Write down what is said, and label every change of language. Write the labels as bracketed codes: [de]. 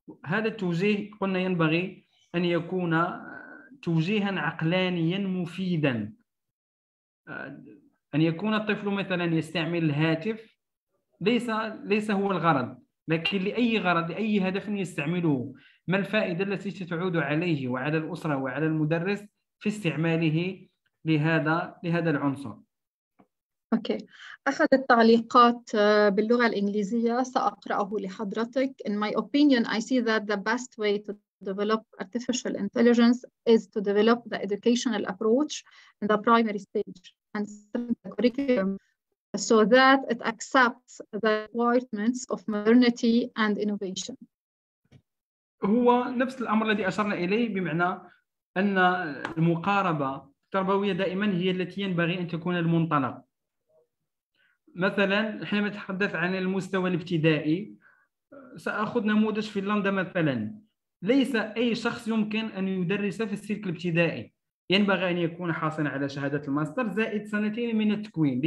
[ar] هذا التوجيه قلنا ينبغي أن يكون توجيها عقلانيا مفيدا، أن يكون الطفل مثلا يستعمل الهاتف ليس هو الغرض، لكن لأي غرض، لأي هدف يستعمله، ما الفائدة التي ستعود عليه وعلى الأسرة وعلى المدرس في استعماله لهذا العنصر. [en] Okay. [ar] أحد التعليقات باللغة الإنجليزية سأقرأه لحضرتك. [en] In my opinion, I see that the best way to develop artificial intelligence is to develop the educational approach in the primary stage and the curriculum so that it accepts the requirements of modernity and innovation. [ar] هو نفس الأمر الذي أشرنا إليه بمعنى أن المقاربة التربوية دائما هي التي ينبغي أن تكون المنطلق. مثلا حينما نتحدث عن المستوى الابتدائي سأخذ نموذج فنلندا مثلا، ليس أي شخص يمكن أن يدرس في السلك الابتدائي، ينبغي أن يكون حاصلا على شهادة الماستر زائد سنتين من التكوين.